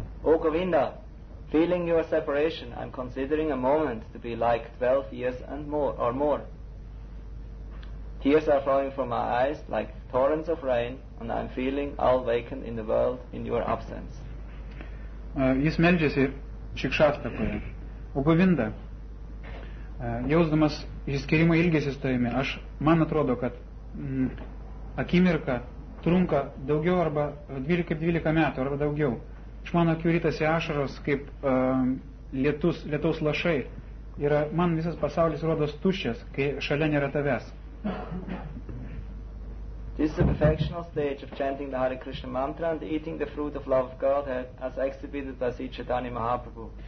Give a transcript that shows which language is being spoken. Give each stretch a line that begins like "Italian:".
English: O Govinda, feeling your separation, I'm considering a moment to be like 12 years and more or more. Tears are flowing from my eyes like torrents of rain and I'm feeling all vacant in the world in your absence.
Lithuanian: Jis meldžiasi šikšastakoje. O Govinda, jausdamas išsiskyrimo ilgesį su tavimi, aš man atrodo, kad akimirka trunka daugiau arba 12 metų arba daugiau. Iš mano akių ritasi ašaros kaip lietaus lašai. Ir man visas pasaulis rodos tuščias, kai šalia nėra tavęs.
English: This is the perfectional stage of chanting the Hare Krishna mantra and eating the fruit of love of Godhead as exhibited by Sri Chaitanya Mahaprabhu.